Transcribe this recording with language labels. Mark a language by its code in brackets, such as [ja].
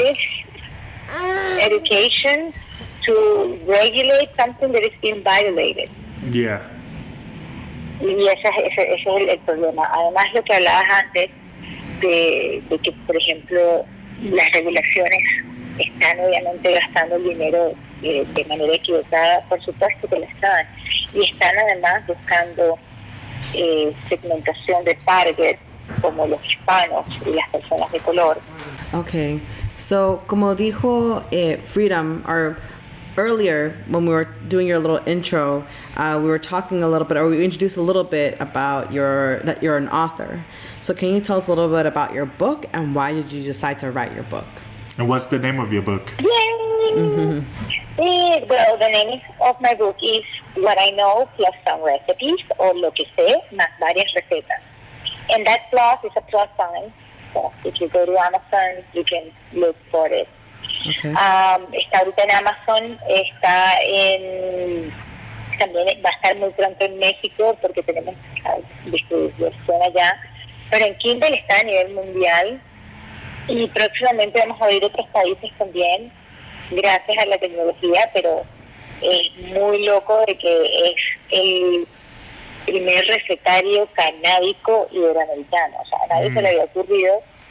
[en] It's education to regulate something that is being violated. Yeah. [es] Y ese es el problema. Además, lo que hablabas antes de que, por ejemplo, las regulaciones están obviamente gastando el dinero de manera equivocada, por supuesto que lo están, y están además buscando segmentación de target como los hispanos y las personas de color. [en] Okay, so [es] como dijo [en] Freedom, or earlier when we were doing your little intro, we were talking a little bit, or we introduced a little bit about that you're an author. So can you tell us a little bit about your book and why did you decide to write your book? And what's the name of your book? Yay! Well, the name of my book is What I Know Plus Some Recipes, or Lo Que Sé Más Varias Recetas. And that plus is a plus sign. So if you go to Amazon, you can look for it. Okay. [es] Está ahorita en Amazon. Está en... También va a estar muy pronto en México porque tenemos distribución allá. Pero en Kindle está a nivel mundial. Y próximamente vamos a ir a otros países también, gracias a la tecnología, pero es muy loco de que es el primer recetario canábico iberoamericano. O sea, a nadie se le había ocurrido